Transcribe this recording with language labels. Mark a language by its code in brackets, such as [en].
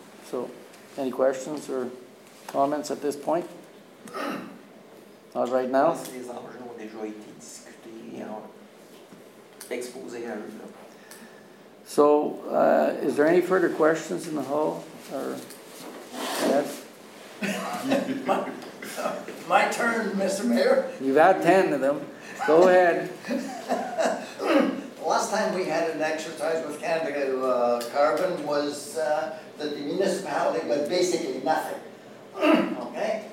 [en] So, any questions or comments at this point? Not right now. [fr] Les enjeux ont déjà été discutés et exposés à eux. [en] So, is there any further questions in the hall? Or yes? my turn, Mr. Mayor. You've had 10 of them. Go ahead. Last time we had an exercise with Canada Carbon was that the municipality got basically nothing. Okay?